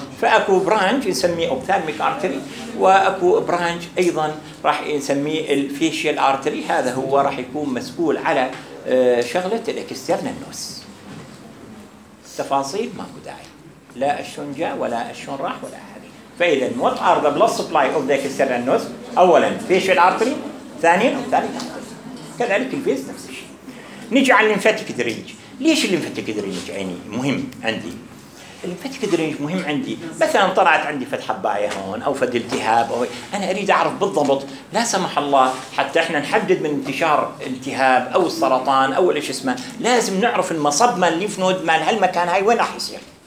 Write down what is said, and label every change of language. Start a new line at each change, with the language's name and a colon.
Arabic: فأكو برانج نسميه أوبثالميك أرتري وأكو برانج أيضا راح نسميه الفيشيال أرتري. هذا هو راح يكون مسؤول على شغلة الإكسترنال نوس. التفاصيل ماكو داعي لا أشون جاء ولا أشون راح ولا أحد. فإذا
English: what are the blood supply of the external nose؟
Arabic: أولا facial artery ثانيا وثالثا كذلك البيز نفس الشيء. نيجي على الليمفاتيك درينج. ليش الليمفاتيك درينج عيني مهم عندي؟ الليمفاتيك درينج مهم عندي مثلا طلعت عندي فتحة باية هون أو فد التهاب أو أنا أريد أعرف بالضبط لا سمح الله حتى إحنا نحدد من انتشار التهاب أو السرطان أو إيش اسمه لازم نعرف المصب مال الليمف نود مال هالمكان هاي وين راح يصير.